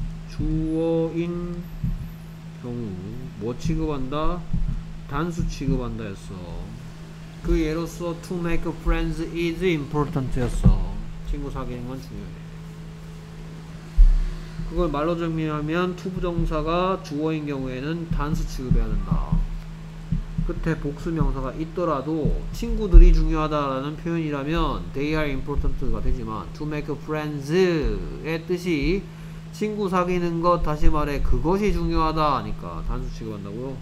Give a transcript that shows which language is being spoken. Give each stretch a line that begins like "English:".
Korean: 주어인 경우 뭐 취급한다? 단수 취급한다 했어. 그 예로서
English: to make friends is important
Korean: 였어. 친구 사귀는 건 중요해. 그걸 말로 정리하면 to 부정사가 주어인 경우에는 단수 취급해야 된다. 끝에 복수명사가 있더라도 친구들이 중요하다라는 표현이라면
English: they are important
Korean: 가 되지만
English: to make friends
Korean: 의 뜻이 친구 사귀는 것, 다시 말해 그것이 중요하다 하니까 단수 취급한다고요.